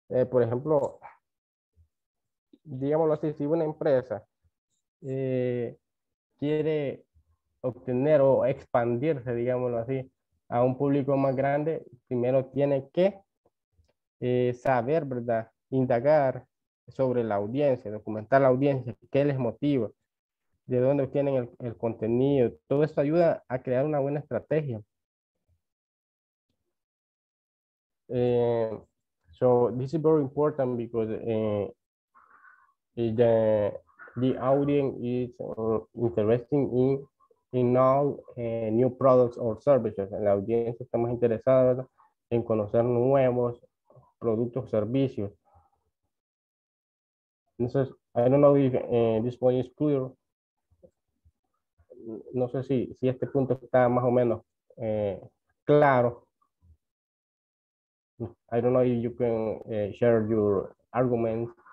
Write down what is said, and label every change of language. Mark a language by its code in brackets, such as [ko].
[es] Por ejemplo, digámoslo así, si una empresa quiere obtener o expandirse, digámoslo así, a un público más grande, primero tiene que saber, ¿verdad?, indagar sobre la audiencia, documentar la audiencia, qué les motiva, de dónde obtienen el contenido. Todo esto ayuda a crear una buena estrategia. [en] So this is very important because the audience is interesting in all new products or services. [es] La audiencia está más interesada, ¿verdad?, en conocer nuevos productos o servicios. Entonces, [en] I don't know if this point is clear. [es] No sé si este punto está más o menos claro. [en] I don't know if you can share your arguments.